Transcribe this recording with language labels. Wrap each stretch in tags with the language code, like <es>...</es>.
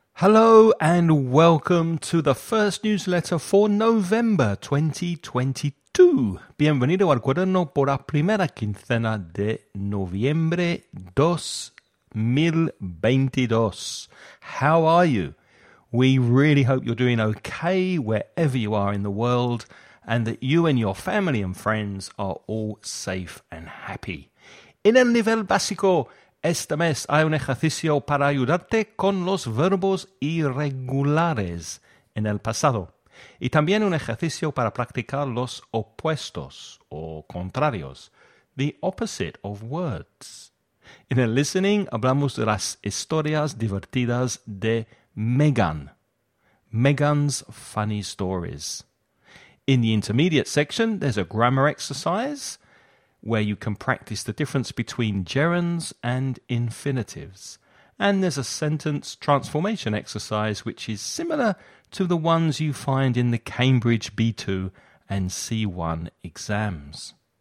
<en>Hello and welcome to the first newsletter for November 2022.</en> <es>Bienvenido al cuaderno por la primera quincena de noviembre 2022.</es> <en>How are you? We really hope you're doing okay wherever you are in the world and that you and your family and friends are all safe and happy.</en> <es>En el nivel básico, este mes hay un ejercicio para ayudarte con los verbos irregulares en el pasado. Y también un ejercicio para practicar los opuestos o contrarios,</es> <en>the opposite of words.</en> <es>En el listening hablamos de las historias divertidas de Megan.</es> <en>Megan's funny stories. In the intermediate section, there's a grammar exercise where you can practice the difference between gerunds and infinitives. And there's a sentence transformation exercise which is similar to the ones you find in the Cambridge B2 and C1 exams.</en>